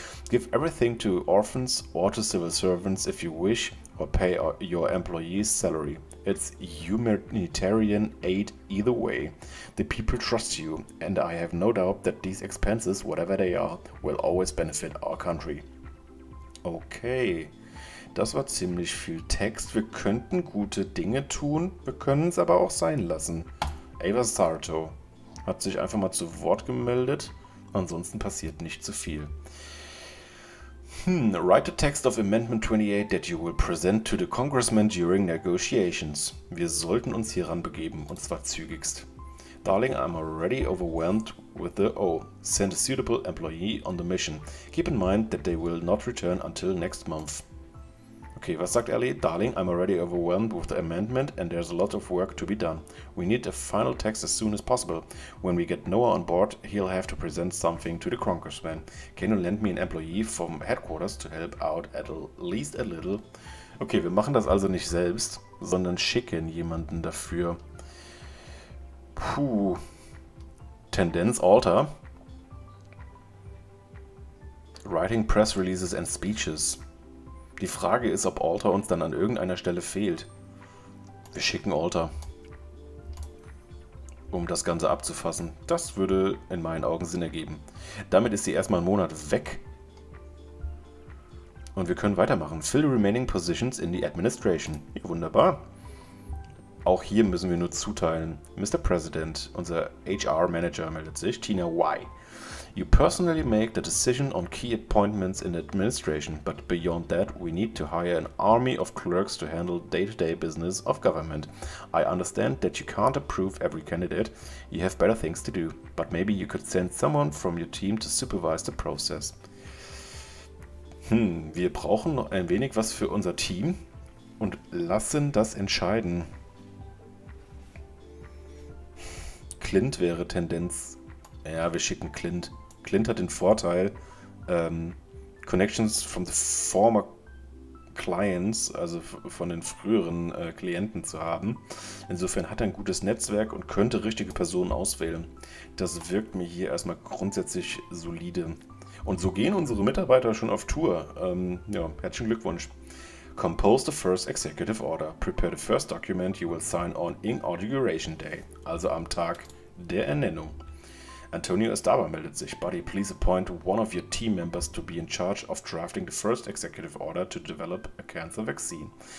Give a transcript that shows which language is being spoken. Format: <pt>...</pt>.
<en>Give everything to orphans or to civil servants if you wish, or pay your employees' salary. It's humanitarian aid either way. The people trust you, and I have no doubt that these expenses, whatever they are, will always benefit our country.</en> <de>Okay, das war ziemlich viel Text. Wir könnten gute Dinge tun, wir können es aber auch sein lassen. Ava Sarto hat sich einfach mal zu Wort gemeldet. Ansonsten passiert nicht so viel.</de> <en>Write a text of Amendment 28 that you will present to the congressman during negotiations.</en> <de>Wir sollten uns hieran begeben, und zwar zügigst.</de> <en>Darling, I'm already overwhelmed with the O. Send a suitable employee on the mission. Keep in mind that they will not return until next month.</en> <de>Okay, was sagt Ellie?</de> <en>Darling, I'm already overwhelmed with the amendment and there's a lot of work to be done. We need a final text as soon as possible. When we get Noah on board, he'll have to present something to the congressman. Can you lend me an employee from headquarters to help out at least a little?</en> <de>Okay, wir machen das also nicht selbst, sondern schicken jemanden dafür. Puh. Tendenz Alter.</de> <en>Writing press releases and speeches.</en> <de>Die Frage ist, ob Alter uns dann an irgendeiner Stelle fehlt. Wir schicken Alter, um das Ganze abzufassen. Das würde in meinen Augen Sinn ergeben. Damit ist sie erstmal einen Monat weg. Und wir können weitermachen.</de> <en>Fill the remaining positions in the administration.</en> <de>Ja, wunderbar. Auch hier müssen wir nur zuteilen. Mr. President, unser HR Manager meldet sich. Tina Y.</de> <en>You personally make the decision on key appointments in administration, but beyond that, we need to hire an army of clerks to handle day-to-day business of government. I understand that you can't approve every candidate, you have better things to do, but maybe you could send someone from your team to supervise the process.</en> <de>Wir brauchen noch ein wenig was für unser Team und lassen das entscheiden. Clint wäre Tendenz. Ja, wir schicken Clint. Clint hat den Vorteil,</de> <en>Connections from the former Clients,</en> <de>also von den früheren Klienten zu haben. Insofern hat er ein gutes Netzwerk und könnte richtige Personen auswählen. Das wirkt mir hier erstmal grundsätzlich solide. Und so gehen unsere Mitarbeiter schon auf Tour. Ja, herzlichen Glückwunsch.</de> <en>Compose the first executive order. Prepare the first document you will sign on inauguration day.</en> <de>Also am Tag der Ernennung. Antonio Estaba meldet sich.</de> <en>Buddy, please appoint one of your team members to be in charge of drafting the first executive order to develop a cancer vaccine.</en>